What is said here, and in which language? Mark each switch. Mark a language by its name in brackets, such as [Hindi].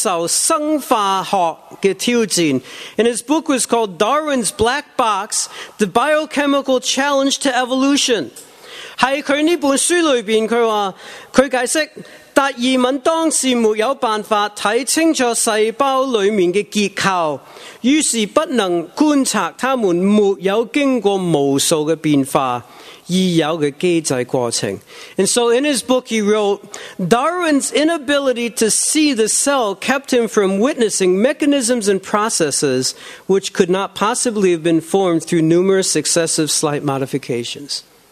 [Chinese] 他的書就是達爾文的黑箱,進化論授生化學的挑戰. [English] And his book was called Darwin's Black Box, The Biochemical Challenge to Evolution. [Chinese] 在他這本書裡面,他解釋 達爾文當時沒有辦法看清楚細胞裡面的結構，於是不能觀察它們沒有經過無數的變化而有的機制過程。 [English] And so in his book he wrote, Darwin's inability to see the cell kept him from witnessing mechanisms and processes which could not possibly have been formed through numerous successive slight modifications.